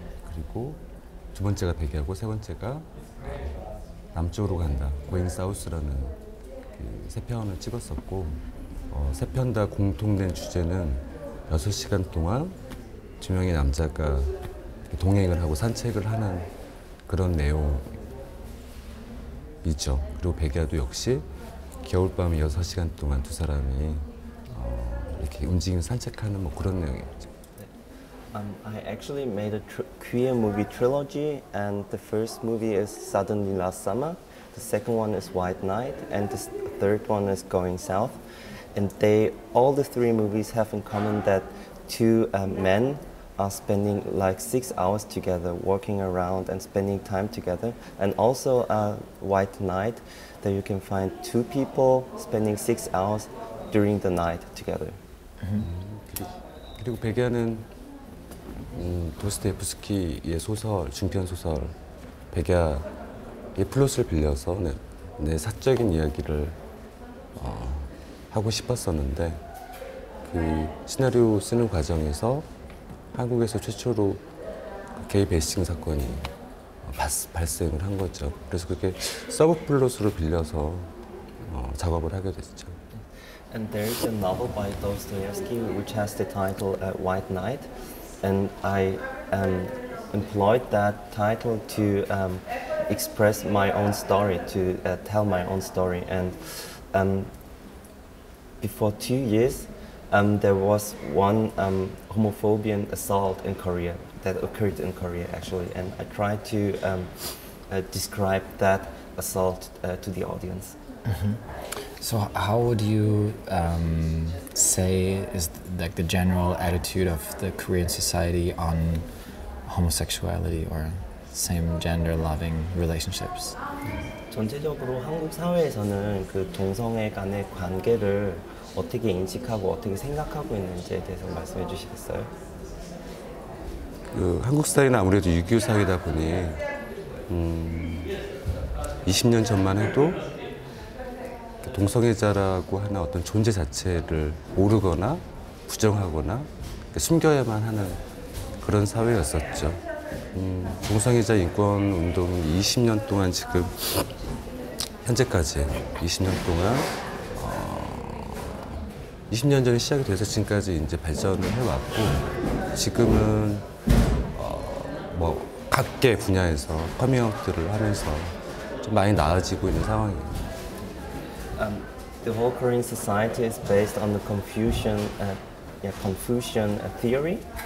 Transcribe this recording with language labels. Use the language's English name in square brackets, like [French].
[Korean] 그리고 두 번째가 백야고 세 번째가 남쪽으로 간다 Going South라는 그 세 편을 찍었었고 세 편 다 공통된 주제는 6시간 동안 두 명의 남자가 동행을 하고 산책을 하는 그런 내용이죠. 그리고 백야도 역시 겨울밤 6시간 동안 두 사람이 이렇게 움직이면 산책하는 뭐 그런 내용이죠. [English] I actually made a queer movie trilogy and the first movie is Suddenly Last Summer, the second one is White Night and the third one is Going South. And they, all the three movies have in common that two men are spending like 6 hours together, walking around and spending time together. And also White Night, that you can find two people spending 6 hours during the night together. Mm-hmm. [Korean] 그리고 백야는 도스토옙스키의 소설, 중편 소설 백야의 플롯을 빌려서 내 사적인 이야기를 하고 싶었었는데 그 시나리오 쓰는 과정에서 한국에서 최초로 게이 배싱 사건이 발생을 한 거죠. 그래서 그게 서브 플롯으로 빌려서 작업을 하게 됐죠. [English] And there is a novel by Dostoevsky which has the title White Night. And I employed that title to express my own story, to tell my own story. And before 2 years, there was one homophobic assault in Korea that occurred in Korea actually, and I tried to describe that assault to the audience. Mm-hmm. So how would you say is like the general attitude of the Korean society on homosexuality or same gender loving relationships? [Korean] 전체적으로 한국 사회에서는 그 동성애 간의 관계를 어떻게 인식하고 어떻게 생각하고 있는지에 대해서 말씀해 주시겠어요? 그 한국 사회는 아무래도 유교 사회다 보니 20년 전만 해도 동성애자라고 하는 어떤 존재 자체를 모르거나 부정하거나 숨겨야만 하는 그런 사회였었죠. 동성애자 인권 운동이 20년 동안 지금 현재까지 20년 동안 20년 전에 시작이 돼서 지금까지 이제 발전을 해왔고 지금은 뭐 각계 분야에서 커밍아웃들을 하면서 좀 많이 나아지고 있는 상황이에요. [English] The whole Korean society is based on the Confucian, Confucian theory.